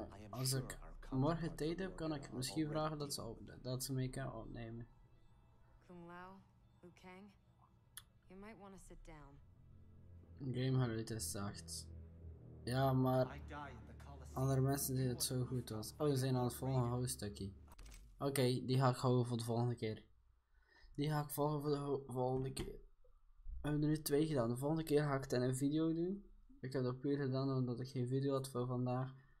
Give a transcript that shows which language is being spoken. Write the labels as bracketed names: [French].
[Dutch] Als ik morgen tijd heb, kan ik misschien vragen dat ze mee kan opnemen. [English] Kung Lao, Liu Kang, you might want to sit down. [Dutch] Game geluid is zacht. Ja, maar andere mensen deden het zo goed was. Oh, we zijn aan het volgende hoofdstukje. Oké, die ga ik houden voor de volgende keer. Die ga ik volgen voor de volgende keer. We hebben er nu 2 gedaan. De volgende keer ga ik het in een video doen. Ik heb dat puur gedaan omdat ik geen video had voor vandaag.